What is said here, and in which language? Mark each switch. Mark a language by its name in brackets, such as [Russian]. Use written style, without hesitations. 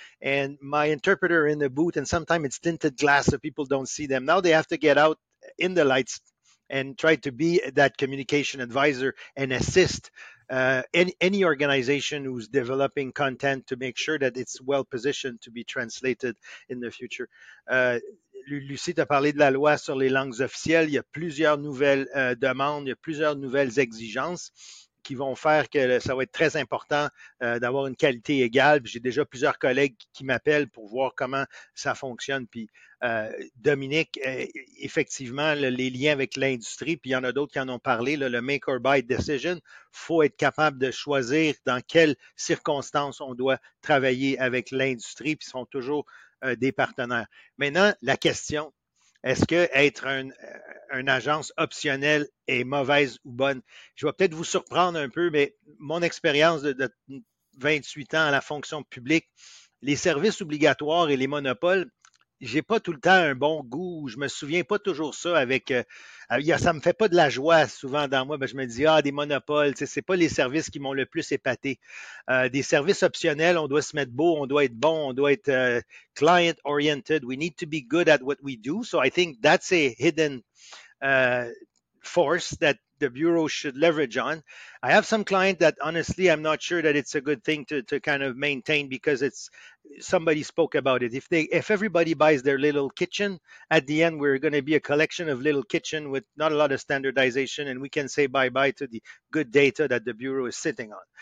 [English] And my interpreter in the booth, and sometimes it's tinted glass so people don't see them. Now they have to get out in the lights and try to be that communication advisor and assist any organization who's developing content to make sure that it's well positioned to be translated in the future. [French] Lucie, tu as parlé de la loi sur les langues officielles. Il y a plusieurs nouvelles demandes, il y a plusieurs nouvelles exigences qui vont faire que ça va être très important d'avoir une qualité égale. Puis j'ai déjà plusieurs collègues qui m'appellent pour voir comment ça fonctionne. Puis Dominique, effectivement, les liens avec l'industrie, puis il y en a d'autres qui en ont parlé, là, le [English] make or buy decision, [French] faut être capable de choisir dans quelles circonstances on doit travailler avec l'industrie, puis ils sont toujours des partenaires. Maintenant, la question, est-ce que être une agence optionnelle est mauvaise ou bonne? Je vais peut-être vous surprendre un peu, mais mon expérience de 28 ans à la fonction publique, les services obligatoires et les monopoles, j'ai pas tout le temps un bon goût. Je me souviens pas toujours ça avec. Ça me fait pas de la joie souvent dans moi. Ben je me dis, ah, des monopoles, c'est pas les services qui m'ont le plus épaté. Des services optionnels, on doit se mettre beau, on doit être bon, on doit être client-oriented. [English] We need to be good at what we do. So I think that's a hidden force that the bureau should leverage on. I have some client that honestly, I'm not sure that it's a good thing to kind of maintain because it's. Somebody spoke about it. If everybody buys their little kitchen, at the end, we're going to be a collection of little kitchen with not a lot of standardization, and we can say bye-bye to the good data that the bureau is sitting on.